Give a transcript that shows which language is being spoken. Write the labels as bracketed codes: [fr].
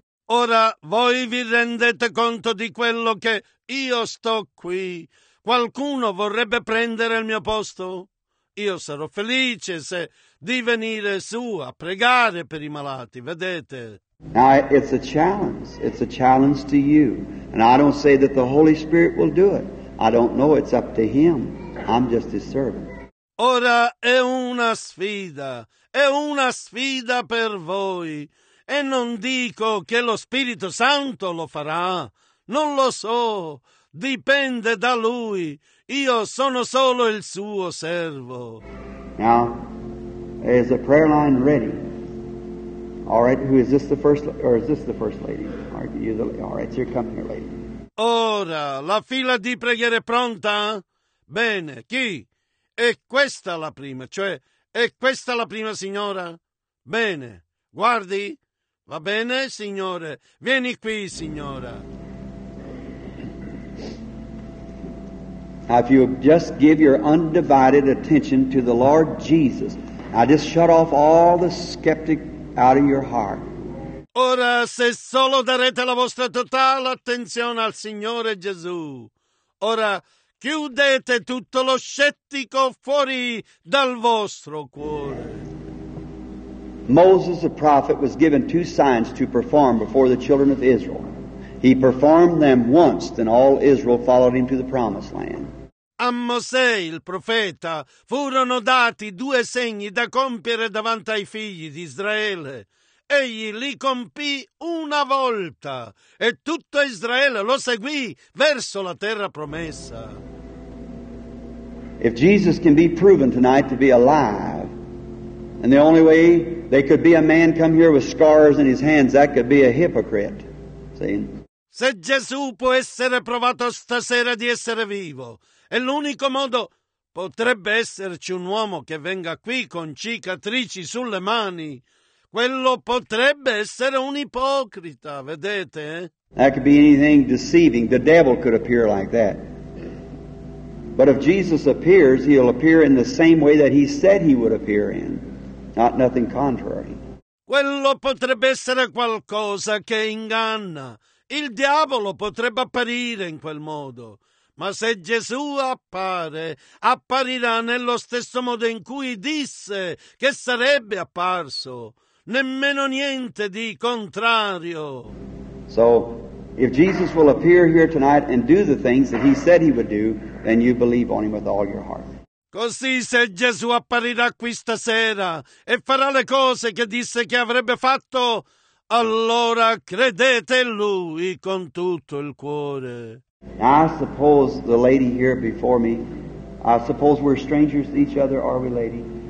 [it] Ora voi vi rendete conto di quello che io sto qui. Qualcuno vorrebbe prendere il mio posto? Io sarò felice se di venire su a pregare per i malati, vedete? [en] Now, it's a challenge. It's a challenge to you. And I don't say that the Holy Spirit will do it. I don't know. It's up to Him. I'm just His servant. [it] Ora è una sfida. È una sfida per voi. E non dico che lo Spirito Santo lo farà. Non lo so. Dipende da Lui. Io sono solo il suo servo. [en] Now, is the prayer line ready? All right, who is this, the first, or is this the first lady? Are you the, all right, here, come here, lady. [it] Ora, la fila di preghiere è pronta? Bene, chi? È questa la prima, cioè, è questa la prima signora? Bene, guardi. Va bene, signore. Vieni qui, signora. [en] Now, if you just give your undivided attention to the Lord Jesus, now just shut off all the skeptic out of your heart. [it] Ora, se solo darete la vostra totale attenzione al Signore Gesù, ora chiudete tutto lo scettico fuori dal vostro cuore. [en] Moses, the prophet, was given two signs to perform before the children of Israel. He performed them once, then all Israel followed him to the promised land. [it] A Mosè, il profeta, furono dati due segni da compiere davanti ai figli di Israele. Egli li compì una volta e tutto Israele lo seguì verso la terra promessa. [en] If Jesus can be proven tonight to be alive, and the only way they could be a man come here with scars in his hands, that could be a hypocrite. See? [it] Se Gesù può essere provato stasera di essere vivo, è l'unico modo, potrebbe esserci un uomo che venga qui con cicatrici sulle mani. Quello potrebbe essere un ipocrita, vedete? [en] That could be anything deceiving. The devil could appear like that. But if Jesus appears, he'll appear in the same way that he said he would appear in, not nothing contrary. [it] Quello potrebbe essere qualcosa che inganna. Il diavolo potrebbe apparire in quel modo. Ma se Gesù appare, apparirà nello stesso modo in cui disse che sarebbe apparso. Nemmeno niente di contrario. [en] So, if Jesus will appear here tonight and do the things that he said he would do, then you believe on him with all your heart. [it] Così se Gesù apparirà qui stasera e farà le cose che disse che avrebbe fatto, allora credete in lui con tutto il cuore. [en] Now, I suppose the lady here before me, I suppose we're strangers to each other, are we, lady?